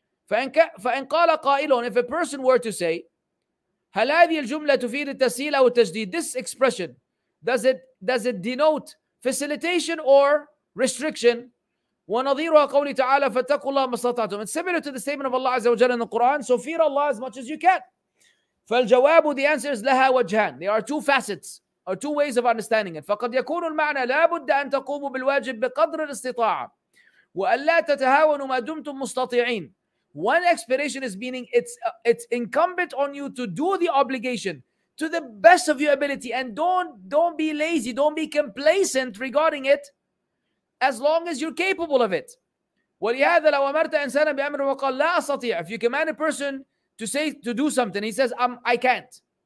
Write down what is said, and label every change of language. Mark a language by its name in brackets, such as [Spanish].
[Arabic] فَإِنْ قَالَ قَائِلٌ, [English] if a person were to say, [Arabic] هَلْ هَذِي الْجُمْلَةُ تُفِيدُ التَّسْهِيلَ وَالتَّشْدِيدَ, [English] this expression, does it denote facilitation or restriction? [Arabic] وَنَظِيرُهَا قَوْلِ تَعَالَى فَاتَّقُوا اللَّهَ مَا اسْتَطَعْتُمْ, [English] it's similar to the statement of Allah عز وجل in the Quran, so fear Allah as much as you can. [Arabic] فالجواب, [English] the answer is [Arabic] لها وجهان. [English] There are two facets or two ways of understanding it. [Arabic] فقد يكون المعنى لا بد أن تقوموا بالواجب بقدر الاستطاعة وألا تتهاونوا ما دمتم مستطيعين. [English] One explanation is meaning it's incumbent on you to do the obligation to the best of your ability and don't be lazy, don't be complacent regarding it as long as you're capable of it. [Arabic] ولهذا لو أمرت إنسانا بأمر وقال لا أستطيع, [English] if you command a person to say, to do something, he says, I can't.